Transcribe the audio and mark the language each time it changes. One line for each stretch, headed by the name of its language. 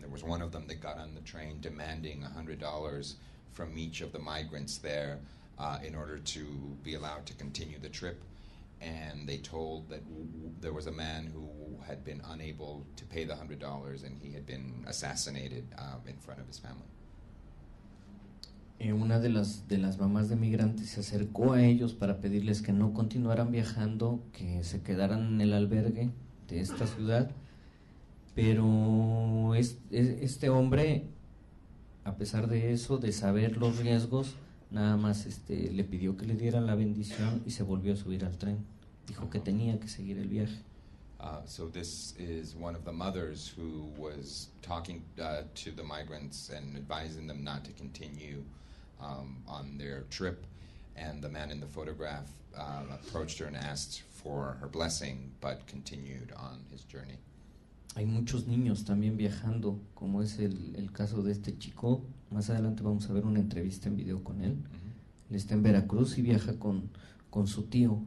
English: There was one of them that got on the train demanding $100 from each of the migrants there in order to be allowed to continue the trip, and they told that there was a man who had been unable to pay the $100 and he had been assassinated in front of his family.
Spanish: Una de las mamás de migrantes se acercó a ellos para pedirles que no continuaran viajando, que se quedaran en el albergue de esta ciudad, pero este hombre, a pesar de eso, de saber los riesgos, nada más le pidió que le dieran la bendición y se volvió a subir al tren. Dijo que tenía que seguir el viaje.
English: So this is one of the mothers who was talking to the migrants and advising them not to continue on their trip, and the man in the photograph approached her and asked for her blessing, but continued on his journey.
Spanish: Hay muchos niños también viajando, como es el caso de este chico. Más adelante vamos a ver una entrevista en video con él. Él está en Veracruz y viaja con su tío.